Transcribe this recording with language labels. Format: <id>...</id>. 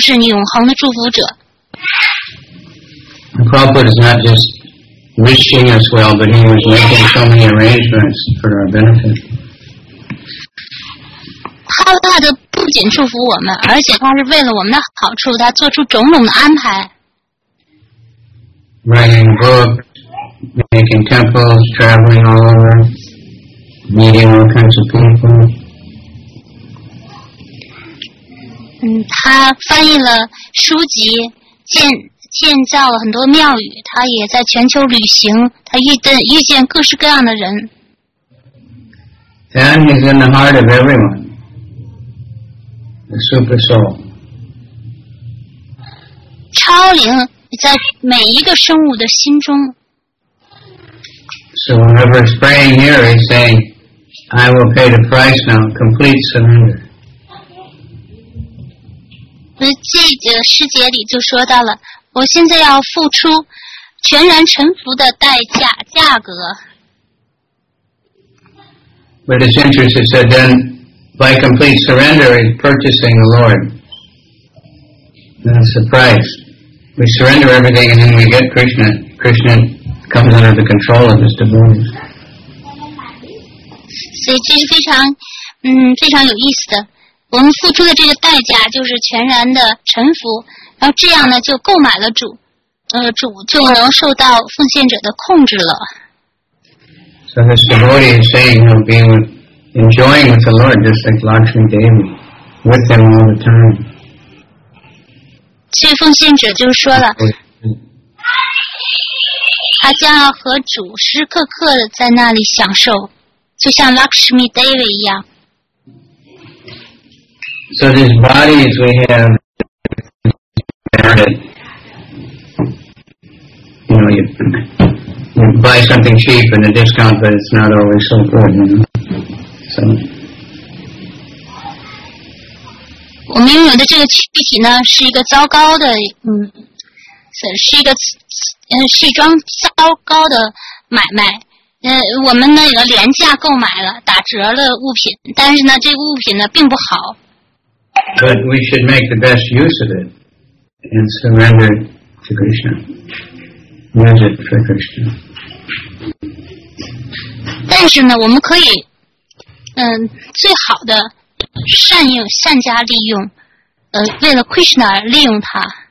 <en>Prabhupada is not just wishing us well, but he was making so many arrangements for our benefit.</en> <zh>帕拉德不仅祝福我们，而且他是为了我们的好处，他做出种种的安排。</zh> <en>Writing books, making temples, traveling all over, meeting all kinds of people.</en> <zh>他翻译了书籍，建造了很多庙宇，他也在全球旅行，他遇见各式各样的人。</zh> <en>Then he's in the heart of everyone, the super soul.</en> <zh>超灵在每一个生物的心中。</zh> <en>So whenever it's praying here, he's saying, I will pay the price now, complete surrender.</en> <zh>这个诗节里就说到了，我现在要付出全然臣服的代价价格。</zh> <en>But it's interesting that then, by complete surrender, he's purchasing the Lord. That's the price. We surrender everything, and then we get Krishna. Krishna comes under the control of his devotees.</en> <zh>所以这是非常有意思的。我们付出的这个代价就是全然的臣服，然后这样呢就购买了主，主就能受到奉献者的控制了。</zh> <en>So this devotee is saying he'll be enjoying with the Lord just like Lakshmi Devi, with him all the time.</en> <zh>这奉献者就说了，他将要和主时刻刻的在那里享受，就像 Lakshmi Devi 一样。</zh> <en>So these bodies we have, you buy something cheap and a discount, but it's not always so good, you know. So,</en> <zh>我们拥有的这个躯体呢，是一个糟糕的，是一桩糟糕的买卖。我们呢有廉价购买了打折的物品，但是呢，这个物品呢并不好。</zh> <en>But we should make the best use of it and surrender to Krishna. Use it for Krishna.</en> <zh>但是呢，我们可以，最好的善加利用，为了 Krishna 而利用它。</zh>